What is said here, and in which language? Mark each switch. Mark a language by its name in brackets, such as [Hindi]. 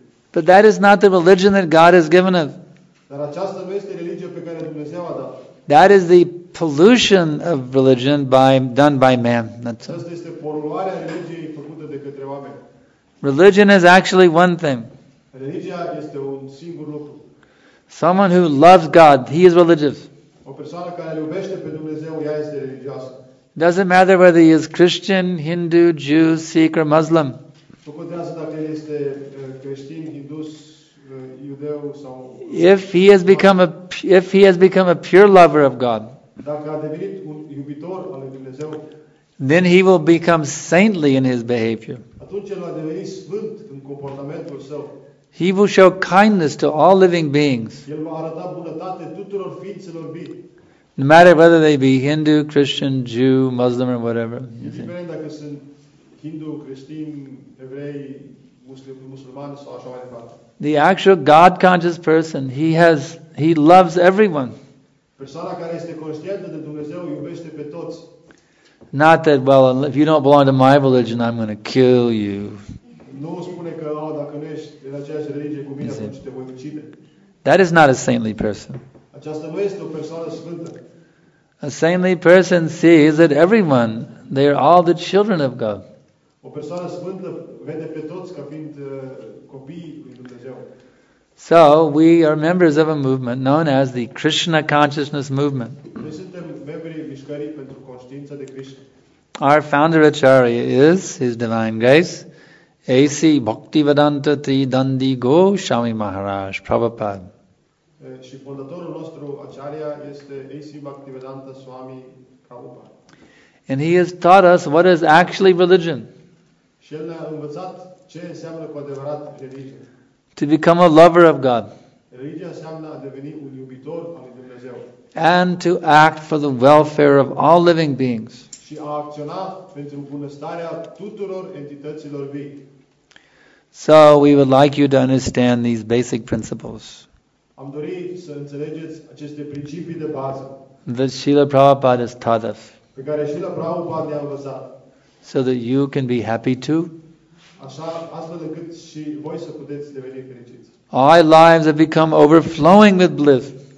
[English] But that is not the religion that God has given us. [Romanian] Dar aceasta nu este religia pe care Dumnezeu a dat. [English] That is the pollution of religion done by man. That's it. [Romanian] Aceasta este poluarea religiei făcută de către oameni. [English] Religion is actually one thing. [Romanian] Religia este un singur lucru. [English] Someone who loves God, he is religious. [Romanian] O persoană care îl iubește pe Dumnezeu, ea este religioasă. [English] Doesn't matter whether he is Christian, Hindu, Jew, Sikh or Muslim. [Romanian] Nu contează dacă el este creștin, hindus, iudeu sau [English] if he has become a pure lover of God. [Romanian] Dacă a devenit un iubitor al lui Dumnezeu, [English] then he will become saintly in his behavior. [Romanian] Atunci el va deveni sfânt în comportamentul său. [English] He will show kindness to all living beings. [Romanian] El va arăta bunătate tuturor ființelor vii. [English] No matter whether they be Hindu, Christian, Jew, Muslim or whatever. [Romanian] Indiferent dacă sunt Hindu, creștin, evrei, musulman sau așa mai departe. [English] The actual God conscious person, he loves everyone. [Romanian] Persoana care este conștientă de Dumnezeu iubește pe toți. [English] Not that, well, if you don't belong to my religion, I'm going to kill you. [Romanian] Nu spune că, oh, dacă nu ești în aceeași religie cu mine, atunci te voi ucide. [English] That is not a saintly person. [Romanian] Aceasta nu este o persoană sfântă. [English] A saintly person sees that everyone, they are all the children of God. [Romanian] O persoană sfântă vede pe toți ca fiind copiii lui Dumnezeu. [English] So, we are members of a movement known as the Krishna Consciousness Movement. [Romanian] Noi suntem membrii mișcării pentru conștiința de Krishna. [English] Our founder Acharya is His Divine Grace, A.C. Bhaktivedanta Tridandi Goswami Maharaj, Prabhupada. [Romanian] Și fondatorul nostru Acharya este A.C. Bhaktivedanta Swami Prabhupada. [English] And he has taught us what is actually religion. [Romanian] Și el ne-a învățat ce înseamnă cu adevărat religie. [English] To become a lover of God. [Romanian] Religia înseamnă a deveni un iubitor al lui Dumnezeu. [English] And to act for the welfare of all living beings. [Romanian] Și a acționa pentru bunăstarea tuturor entităților vii. [English] So we would like you to understand these basic principles. [Romanian] Am dori să înțelegeți aceste principii de bază. [English] That Srila Prabhupada has taught us. [Romanian] Pe care Srila Prabhupada ne-a învățat. [English] So that you can be happy too. [Romanian] Așa, astfel încât și voi să puteți deveni fericiți. [English] Our lives have become overflowing with bliss.